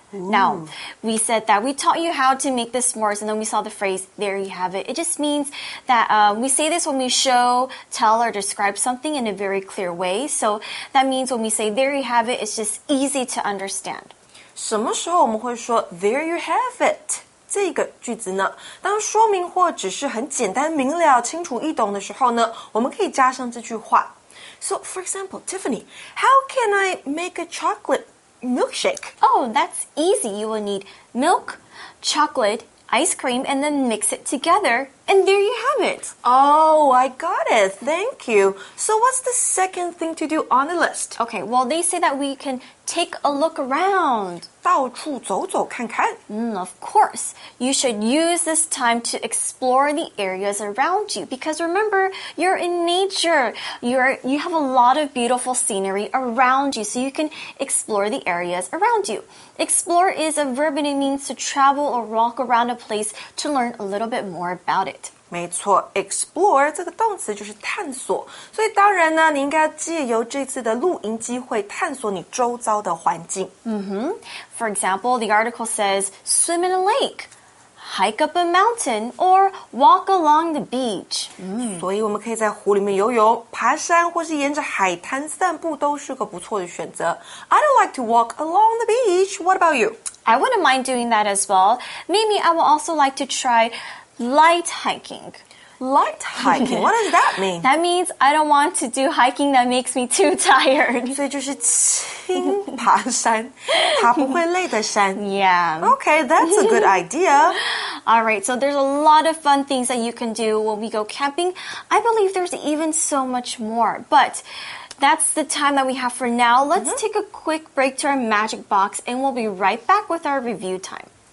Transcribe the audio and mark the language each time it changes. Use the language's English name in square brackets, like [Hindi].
[English] Now, we said that we taught you how to make the s'mores, and then we saw the phrase, there you have it. It just means that, we say this when we show, tell, or describe something in a very clear way. So that means when we say, there you have it, it's just easy to understand. [Chinese] 什么时候我们会说, there you have it? 这个句子呢，当说明或只是很简单明了、清楚易懂的时候呢，我们可以加上这句话。 [English] So, for example, Tiffany, how can I make a chocolate milkshake? Oh, that's easy. You will need milk, chocolate, ice cream, and then mix it together. And there you have it. Oh, I got it. Thank you. So what's the second thing to do on the list? Okay, well, they say that we can take a look around. [Chinese] 到处走走看看。 [English] Of course. You should use this time to explore the areas around you. Because remember, you're in nature. You have a lot of beautiful scenery around you. So you can explore the areas around you. Explore is a verb and it means to travel or walk around a place to learn a little bit more about it. [Chinese] 没错 ，explore 这个动词就是探索，所以当然呢，你应该借由这次的露营机会探索你周遭的环境。 [English] For example, the article says swim in a lake, hike up a mountain, or walk along the beach. [Chinese] 所以我们可以在湖里面游泳、爬山，或是沿着海滩散步，都是个不错的选择。 [English] I don't like to walk along the beach. What about you? I wouldn't mind doing that as well. Maybe I will also like to try. Light hiking. Light hiking? What does that mean? That means I don't want to do hiking that makes me too tired. [Chinese] 所以就是轻爬山，爬不会累的山。 [English] Yeah. Okay, that's a good idea. All right, so there's a lot of fun things that you can do when we go camping. I believe there's even so much more, but that's the time that we have for now. Let's take a quick break to our magic box, and we'll be right back with our review time.